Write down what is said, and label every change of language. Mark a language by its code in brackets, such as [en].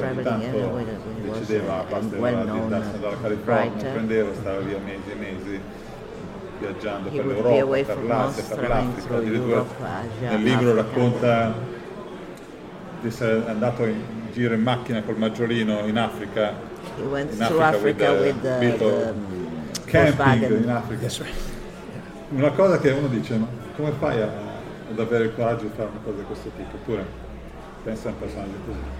[it] Ogni tanto decideva, dalla California, prendeva, stava via mesi e mesi viaggiando per l'Europa, per l'Asia, per l'Africa. Nel libro racconta di essere andato in giro in macchina col maggiorino in Africa. [en] He went in through Africa with the camping Volkswagen. In Africa. [it] Una cosa che uno dice, ma come fai ad avere il coraggio di fare una cosa di questo tipo? Eppure pensa a un personaggio così.